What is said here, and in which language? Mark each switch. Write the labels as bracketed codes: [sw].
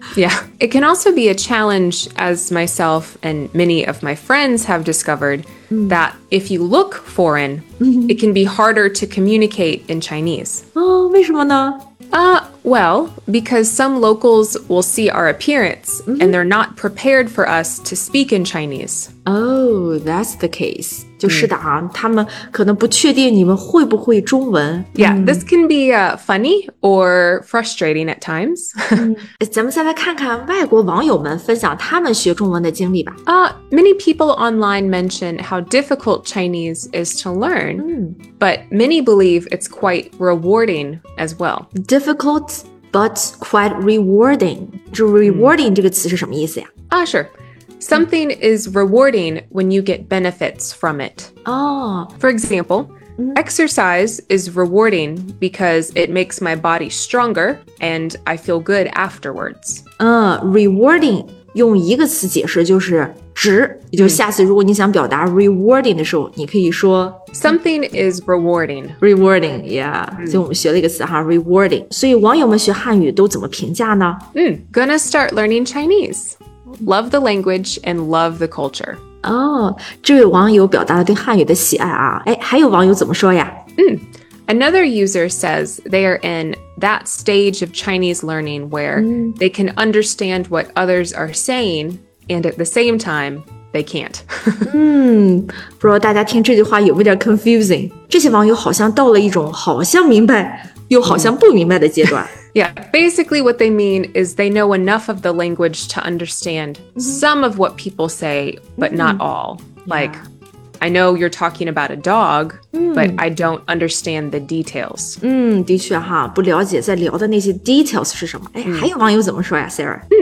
[en] Yeah, it can also be a challenge, as myself and many of my friends have discovered, that if you look foreign, it can be harder to communicate in Chinese. [zh] Oh, 为什么呢? [en] Well, because some locals will see our appearance, and they're not prepared for us to speak in Chinese. Oh, that's the case. [zh] 就是的啊，他们可能不确定你们会不会中文。 [en] Yeah, this can be funny or frustrating at times. [zh] 咱们再来看看外国网友们分享他们学中文的经历吧。 [en] Many people online mention how difficult Chinese is to learn, but many believe it's quite rewarding as well. Difficult, but quite rewarding. [zh] 就 rewarding 这个词是什么意思呀？ [en] Sure. Something is rewarding when you get benefits from it. Oh. For example, exercise is rewarding because it makes my body stronger and I feel good afterwards. [zh] Rewarding, 用一个词解释就是值，也就是下次如果你想表达 rewarding 的时候，你可以说 [en] something is rewarding. Rewarding, yeah. [zh] 所以我们学了一个词哈 rewarding. 所以网友们学汉语都怎么评价呢？ [en] Gonna start learning Chinese. Love the language and love the culture. [zh] Oh, 这位网友表达了对汉语的喜爱啊。哎，还有网友怎么说呀？ [en] Another user says they are in that stage of Chinese learning where they can understand what others are saying and at the same time, they can't. [zh] 不知道大家听这句话有没有点 confusing? 这些网友好像到了一种好像明白又好像不明白的阶段。 [en] Yeah, basically what they mean is they know enough of the language to understand some of what people say, but not all. Like, I know you're talking about a dog, but I don't understand the details. [zh] 的确哈，不了解在聊的那些 details 是什么。哎，还有网友怎么说呀 ，Sarah?